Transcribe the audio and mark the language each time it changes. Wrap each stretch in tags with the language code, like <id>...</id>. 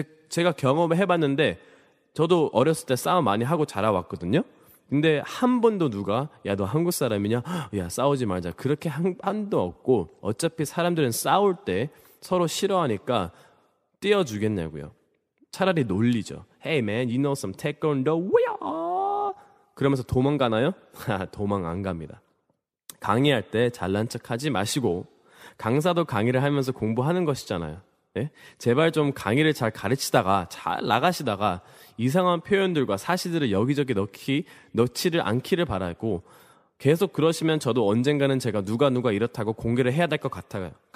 <ko>제가 경험을 해봤는데 저도 어렸을 때 싸움 많이 하고 자라왔거든요. 근데 한 번도 누가 야 너 한국 사람이냐 야 싸우지 말자 그렇게 한 번도 없고, 어차피 사람들은 싸울 때 서로 싫어하니까 띄워주겠냐고요. 차라리 놀리죠.</ko> <en>Hey man, you know some taekwondo?</en> <ko>그러면서 도망가나요? 도망 안 갑니다. 강의할 때 잘난 척하지 마시고, 강사도 강의를 하면서 공부하는 것이잖아요. 네? 제발 좀 강의를 잘 가르치다가 잘 나가시다가 이상한 표현들과 사실들을 여기저기 넣지를 않기를 바라고, 계속 그러시면 저도 언젠가는 제가 누가 이렇다고 공개를 해야 될 것 같아요.</ko>